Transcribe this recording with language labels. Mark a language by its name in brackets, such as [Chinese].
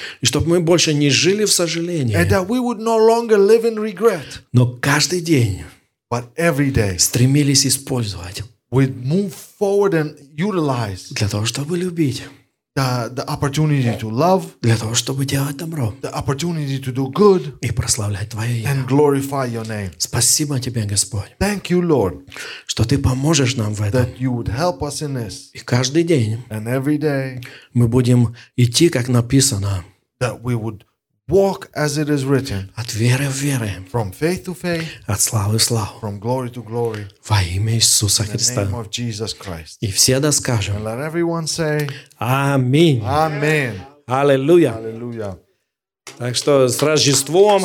[Russian] И чтобы мы больше не жили в сожалении, [English] and that we would no longer live in regret, [Russian] но каждый день, [English] but every day, [Russian] стремились использовать, [English] we'd move forward and utilize, [Russian] для того, чтобы любить, [English] the opportunity to love, [Russian] для того, чтобы делать добро, [English] the opportunity to do good, [Russian] и прославлять Твое имя, [English] and glorify your name. [Russian] Спасибо Тебе, Господь, [English] thank you, Lord, [Russian] что Ты поможешь нам в этом, [English] that you would help us in this. [Russian] И каждый день, [English] and every day, [Russian] мы будем идти, как написано, [English] that we would walk as it is written, [Russian] от веры в веру, [English] from faith to faith, [Russian] от славы в славу, [English] from glory to glory, [Russian] во имя Иисуса Христа, [English] in the name of Jesus Christ. [Russian] И все да скажем, [English] and let everyone say, [Russian] аминь, аминь, аллилуйя. Так что с Рождеством,